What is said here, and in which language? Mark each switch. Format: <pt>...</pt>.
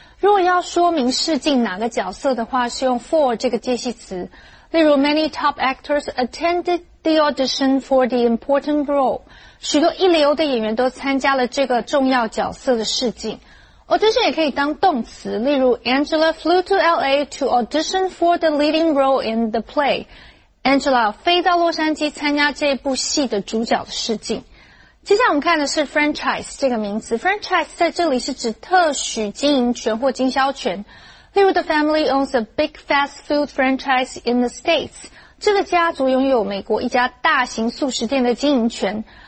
<zh>如果要说明试镜哪个角色的话，是用 for 这个介系词。例如</zh> <en>，Many top actors attended the audition for the important role.</en> <zh>许多一流的演员都参加了这个重要角色的试镜。</zh> <en>Audition</en> <zh>也可以当动词，例如</zh> <en>Angela flew to LA to audition for the leading role in the play.</en> <zh>Angela 飞到洛杉矶参加这部戏的主角的试镜。接下来我们看的是 franchise 这个名词。Franchise 在这里是指特许经营权或经销权。例如</zh> <en>The family owns a big fast food franchise in the States.</en> <zh>这个家族拥有美国一家大型素食店的经营权。</zh>